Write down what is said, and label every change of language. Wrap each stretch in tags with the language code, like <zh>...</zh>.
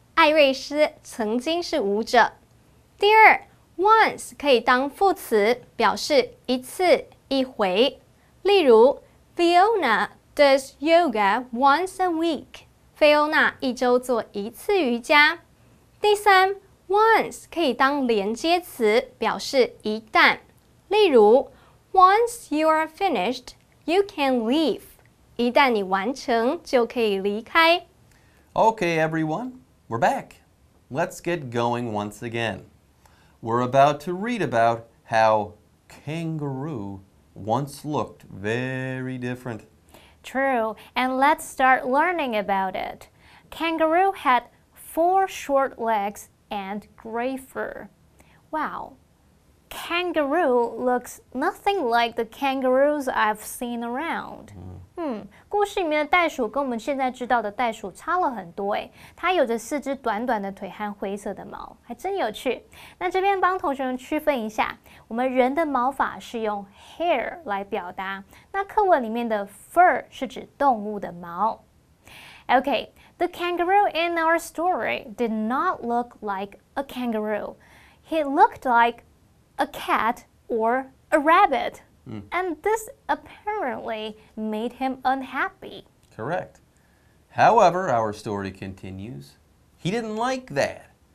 <zh>艾瑞斯曾经是舞者。第二， once 可以当副词表示一次一回。例如</zh> <en>Fiona does yoga once a week.</en> <zh>菲欧娜一周做一次瑜伽。第三， once 可以当连接词表示一旦。例如，</zh> <en>once you are finished, you can leave.</en> <zh>一旦你完成就可以离开。</zh> <en>Okay, everyone, we're back. Let's get going once again. We're about to read about how kangaroo once looked very different. True, and let's start learning about it. Kangaroo had four short legs and gray fur. Wow, kangaroo looks nothing like the kangaroos I've seen around.</en> <zh>故事里面的袋鼠跟我们现在知道的袋鼠差了很多，它有着四只短短的腿和灰色的毛，还真有趣。那这边帮同学们区分一下，我们人的毛发是用 hair 来表达，那课文里面的 fur 是指动物的毛。</zh> <en>OK, the kangaroo in our story did not look like a kangaroo. He looked like a cat or a rabbit. And this apparently made him unhappy. Correct. However, our story continues, he didn't like that.</en>